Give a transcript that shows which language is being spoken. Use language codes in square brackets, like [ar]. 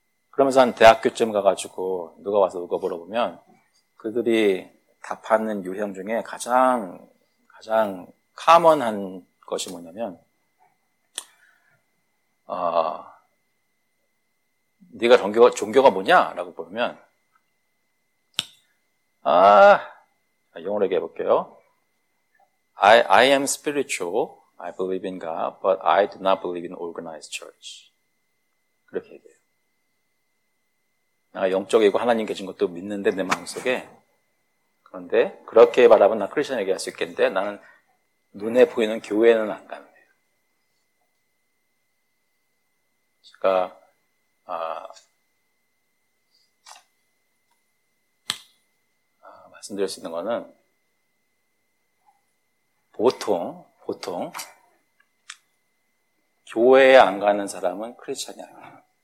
[ko] 그러면서 한 대학교쯤 가가지고 누가 와서 누가 물어보면 그들이 답하는 유형 중에 가장 카먼한 것이 뭐냐면 네가 종교가 뭐냐? 라고 보면 영어로 얘기해 볼게요. [en] I am spiritual. I believe in God. But I do not believe in organized church. [ko] 그렇게 얘기해요. 내가 영적이고 하나님 계신 것도 믿는데 내 마음속에 그런데 그렇게 바라면 나 크리스천 얘기할 수 있겠는데 나는 눈에 보이는 교회는 안 가는 거예요. 제가 말씀드릴 수 있는 거는 보통 교회에 안 가는 사람은 크리스천이 아니에요.